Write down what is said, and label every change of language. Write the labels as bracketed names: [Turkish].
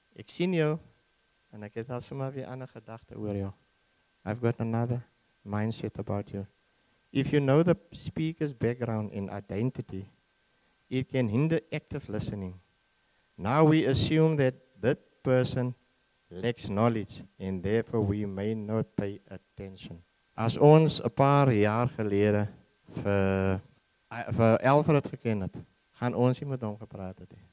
[Afrikaans] Ek sien jou, en ek het al sommer weer ander gedagte oor jou. [English] I've got another mindset about you. If you know the speaker's background and identity, it can hinder active listening. Now we assume that that person lacks knowledge, and therefore we may not pay attention. [Afrikaans] As ons 'n paar jaar gelede vir Alfred geken het, gaan ons nie met hom gepraat het.